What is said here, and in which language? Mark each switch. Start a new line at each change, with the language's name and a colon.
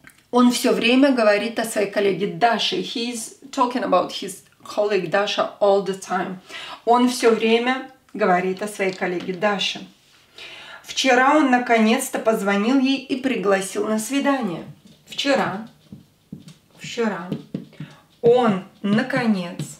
Russian: Он все время говорит о своей коллеге Даше.
English: He's talking about his colleague Dasha all the time.
Russian: Он все время говорит о своей коллеге Даше. Вчера он наконец-то позвонил ей и пригласил на свидание. Вчера он наконец.